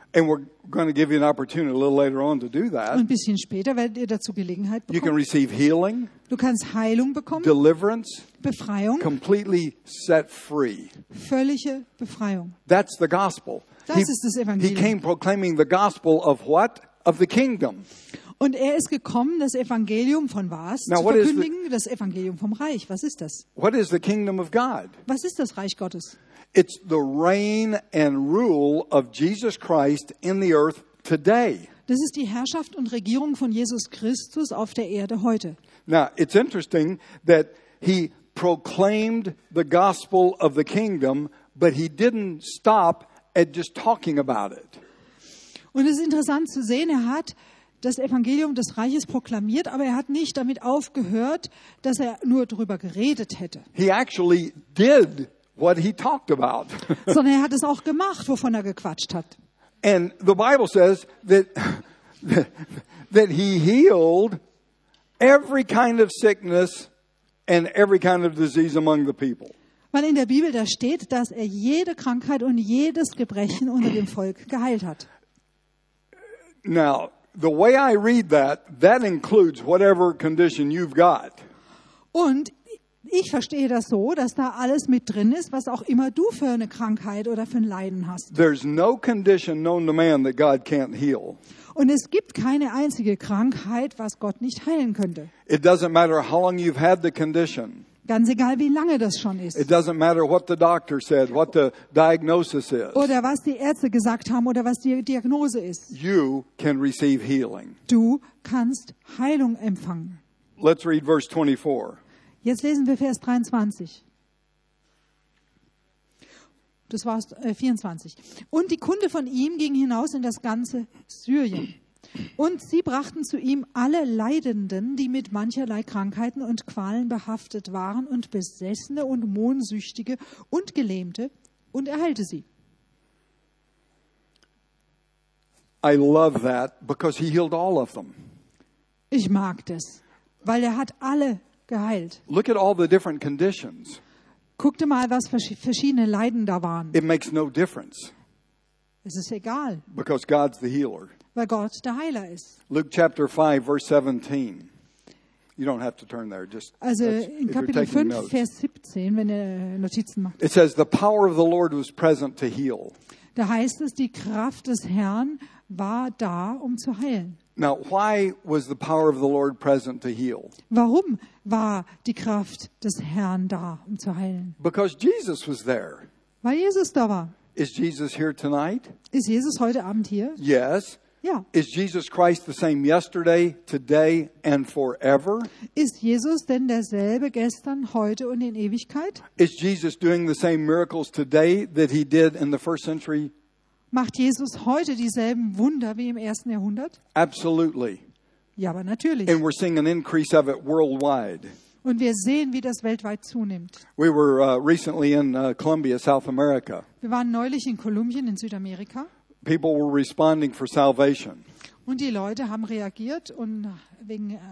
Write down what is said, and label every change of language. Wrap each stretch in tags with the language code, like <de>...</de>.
<en>And we're going to give you an opportunity a little later on to do that.</en> <de>Ein bisschen später werdet ihr dazu Gelegenheit bekommen.</de> <en>You can receive healing.</en> <de>Du kannst Heilung bekommen.</de> <en>Deliverance.</en> <de>Befreiung.</de> <en>Completely set free.</en> <de>Völlige Befreiung.</de> <en>That's the gospel.</en> <de>Das ist das Evangelium.</de> <en>He came proclaiming the gospel of what? Of the kingdom.</en> <de>Und er ist gekommen, das Evangelium von was?</de> <en>Now,</en> <de>zu verkündigen, das Evangelium vom Reich. Was ist das?</de> <en>What is the kingdom of God?</en> <de>Was ist das Reich Gottes?</de> <en>It's the reign and rule of Jesus Christ in the earth today.</en> <de>Das ist die Herrschaft und Regierung von Jesus Christus auf der Erde heute.</de> <en>Now, it's interesting that he proclaimed the gospel of the kingdom, but he didn't stop at just talking about it.</en> <de>Und es ist interessant zu sehen, er hat das Evangelium des Reiches proklamiert, aber er hat nicht damit aufgehört, dass er nur darüber geredet hätte.</de> <en>He actually did what he talked about.</en> <de>Sondern er hat es auch gemacht, wovon er gequatscht hat.</de> <en>And the Bible says that he healed every kind of sickness and every kind of disease among the people.</en> <de>Weil in der Bibel da steht, dass er jede Krankheit und jedes Gebrechen unter dem Volk geheilt hat.</de> <en>Now, the way I read that, that includes whatever condition you've got.</en> <de>Und ich verstehe das so, dass da alles mit drin ist, was auch immer du für eine Krankheit oder für ein Leiden hast.</de> <en>There's no condition known to man that God can't heal.</en> <de>Und es gibt keine einzige Krankheit, was Gott nicht heilen könnte.</de> <en>It doesn't matter how long you've had the condition.</en> <de>Ganz egal, wie lange das schon ist.</de> <en>It doesn't matter what the doctor said, what the diagnosis is.</en> <de>Oder was die Ärzte gesagt haben oder was die Diagnose ist.</de> <en>You can receive healing.</en> <de>Du kannst Heilung empfangen.</de> <en>Let's read verse 24.</en> <de>Jetzt lesen wir Vers 23. Das war 24. Und die Kunde von ihm ging hinaus in das ganze Syrien. Und sie brachten zu ihm alle Leidenden, die mit mancherlei Krankheiten und Qualen behaftet waren, und Besessene und Mondsüchtige und Gelähmte, und er heilte sie.</de> <en>I love that because he healed all of them.</en> <de>Ich mag das, weil er hat alle geheilt.</de> <en>Look at all the different conditions.</en> <de>Guck dir mal, was verschiedene Leiden da waren.</de> <en>It makes no difference.</en> <de>Es ist egal.</de> <en>Because God's the healer.</en> <de>Weil Gott der Heiler ist.</de> <en>Luke chapter 5, verse 17. You don't have to turn there. Just,</en> <de>also in Kapitel 5, Vers 17, wenn ihr Notizen macht.</de> <en>It says, the power of the Lord was present to heal.</en> <de>Da heißt es, die Kraft des Herrn war da, um zu heilen.</de> <en>Now, why was the power of the Lord present to heal?</en> <de>Warum war die Kraft des Herrn da, um zu heilen?</de> <en>Because Jesus was there.</en> <de>Weil Jesus da war.</de> <en>Is Jesus here tonight?</en> <de>Ist Jesus heute Abend hier?</de> <en>Yes.</en> <de>Ja.</de> <en>Is Jesus Christ the same yesterday, today and forever?</en> <de>Ist Jesus denn derselbe gestern, heute und in Ewigkeit?</de> <en>Is Jesus doing the same miracles today that he did in the first century?</en> <de>Macht Jesus heute dieselben Wunder wie im ersten Jahrhundert?</de> <en>Absolutely.</en> <de>Ja, aber natürlich.</de> <en>And we're seeing an increase of it worldwide.</en> <de>Und wir sehen, wie das weltweit zunimmt.</de> <en>We were recently in Colombia, South America.</en> <de>Wir waren neulich in Kolumbien in Südamerika.</de> <en>People were responding for salvation.</en> <de>Und die Leute haben reagiert und wegen</de>